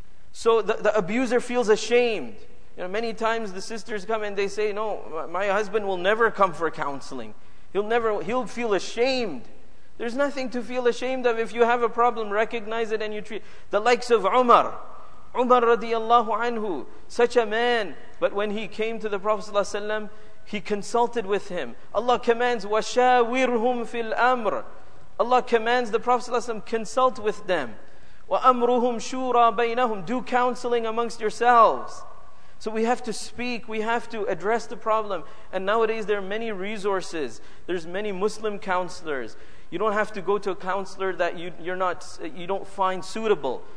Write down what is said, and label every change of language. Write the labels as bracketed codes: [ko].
[en] So the abuser feels ashamed. You know, many times the sisters come and they say, no, my husband will never come for counseling. He'll feel ashamed. There's nothing to feel ashamed of. If you have a problem, recognize it and you treat. The likes of Umar radiallahu anhu, such a man. But when he came to the Prophet sallallahu alaihi wasallam, he consulted with him. [ar] Allah commands, وَشَاوِرْهُمْ فِي الْأَمْرِ. [en] Allah commands the Prophet sallallahu alaihi wasallam, consult with them. [ar] وَأَمْرُهُمْ شُورَى بَيْنَهُمْ. [en] Do counseling amongst yourselves. So we have to speak, we have to address the problem. And nowadays there are many resources. There's many Muslim counselors. You don't have to go to a counselor that you don't find suitable.